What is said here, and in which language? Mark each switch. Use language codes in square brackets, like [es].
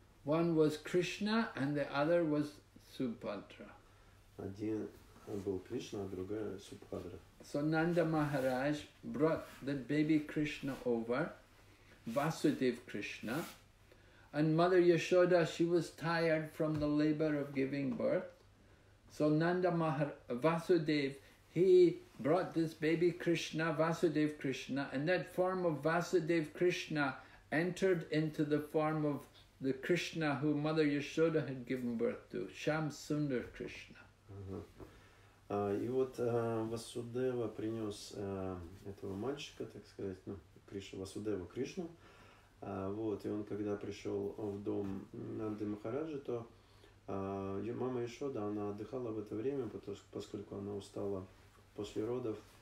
[en] One was Krishna and the other was Subhadra. [ru] Один был Кришна, а другая Субхадра. [en] So Nanda Maharaj brought the baby Krishna over Vasudev Krishna. And Mother Yashoda, she was tired from the labor of giving birth. So Nanda Vasudev, he brought this baby Krishna, Vasudev Krishna, and that form of Vasudev Krishna entered into the form of the Krishna who Mother Yashoda had given birth to, Shamsundar Krishna. [ru] И вот Васудева принес этого мальчика, так сказать, ну, Кришну, Васудева Кришну. Вот, и он когда пришел в дом Нанды Махараджи, то мама Яшода, она отдыхала в это время, поскольку она устала после родов.